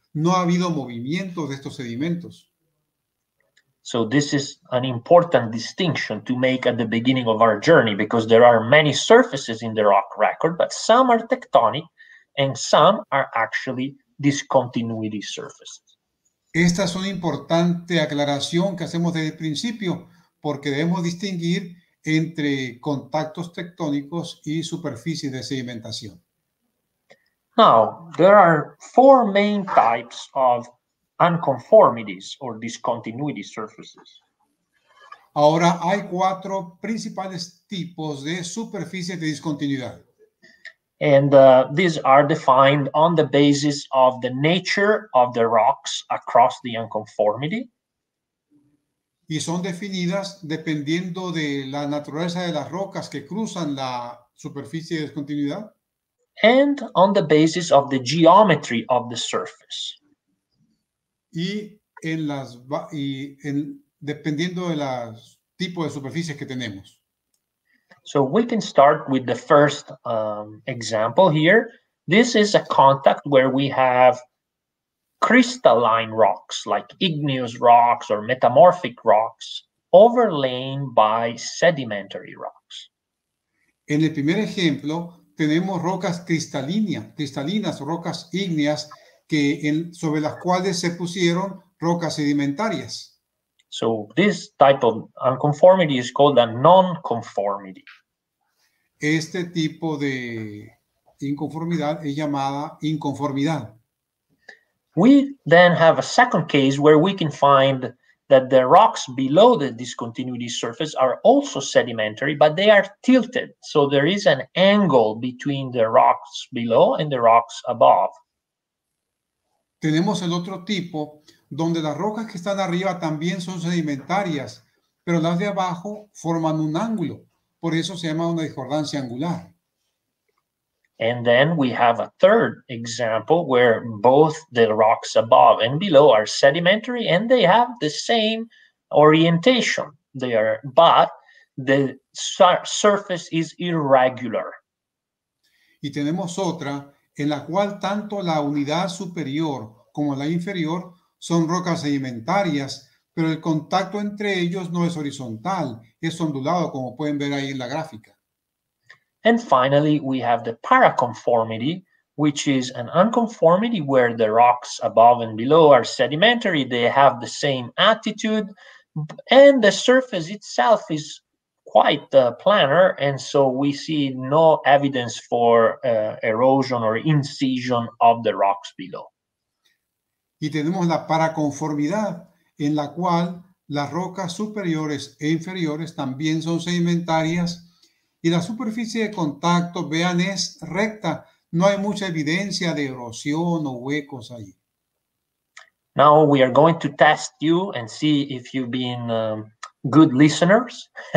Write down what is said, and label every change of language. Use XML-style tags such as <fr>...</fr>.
<es>No ha habido movimiento de estos sedimentos.</es> <en>So this is an important distinction to make at the beginning of our journey because there are many surfaces in the rock record, but some are tectonic. And some are actually discontinuity surfaces.</en> <es>Esta es una importante aclaración que hacemos desde el principio, porque debemos distinguir entre contactos tectónicos y superficies de sedimentación.</es> <en>Now, there are four main types of unconformities or discontinuity surfaces.</en> <es>Ahora, hay cuatro principales tipos de superficies de discontinuidad.</es> <en>And these are defined on the basis of the nature of the rocks across the unconformity.</en> <es>Y son definidas dependiendo de la naturaleza de las rocas que cruzan la superficie de discontinuidad.</es> <en>And on the basis of the geometry of the surface.</en> <es>Y dependiendo de los tipos de superficies que tenemos.</es> <en>So we can start with the first example here. This is a contact where we have crystalline rocks, like igneous rocks or metamorphic rocks, overlain by sedimentary rocks.</en> <es>En el primer ejemplo, tenemos rocas cristalinas, rocas ígneas, sobre las cuales se pusieron rocas sedimentarias.</es> <en>So this type of unconformity is called a non-conformity.</en> <es>Este tipo de inconformidad es llamada inconformidad.</es> <en>We then have a second case where we can find that the rocks below the discontinuity surface are also sedimentary, but they are tilted. So there is an angle between the rocks below and the rocks above.</en> <es>Tenemos el otro tipo donde las rocas que están arriba también son sedimentarias, pero las de abajo forman un ángulo. Por eso se llama una discordancia angular.</es> <en>And then we have a third example where both the rocks above and below are sedimentary and they have the same orientation. They are, but the surface is irregular.</en> <es>Y tenemos otra en la cual tanto la unidad superior como la inferior son rocas sedimentarias, pero el contacto entre ellos no es horizontal, es ondulado, como pueden ver ahí en la gráfica.</es> <en>And finally, we have the paraconformity, which is an unconformity where the rocks above and below are sedimentary, they have the same attitude, and the surface itself is quite planar, and so we see no evidence for erosion or incision of the rocks below.</en> <es>Y tenemos la paraconformidad, en la cual las rocas superiores e inferiores también son sedimentarias, y la superficie de contacto, vean, es recta. No hay mucha evidencia de erosión o huecos allí.</es> <en>Now we are going to test you and see if you've been good listeners.</en>